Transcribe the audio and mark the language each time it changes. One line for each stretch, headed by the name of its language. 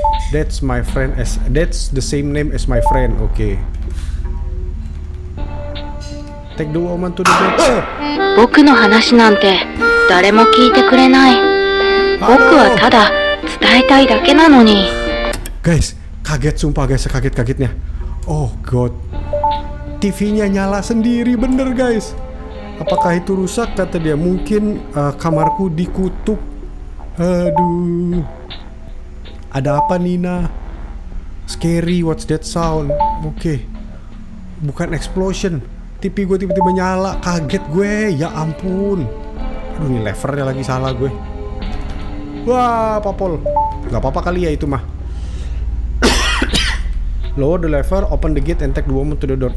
English: That's my friend as that's the same name as my friend. Okay. Take the woman to the bed.
Japanese: 僕の話なんて誰も聞いてくれない。僕はただ伝えたいだけなのに。
Indonesian: Guys, kaget sumpah guys, kaget-kagetnya.
English: Oh god.
Indonesian: TV-nya nyala sendiri bener guys. Apakah itu rusak? Kata dia mungkin kamarku dikutuk. Aduh, ada apa Nina?
English: Scary, what's that sound? Oke, okay. Bukan explosion.
Indonesian: TV gue tiba-tiba nyala, kaget gue. Ya ampun. Aduh, ini levernya lagi salah gue. Wah, Pak Pol, nggak apa-apa kali ya itu mah.
English: Lower the lever, open the gate, and take the woman to the door.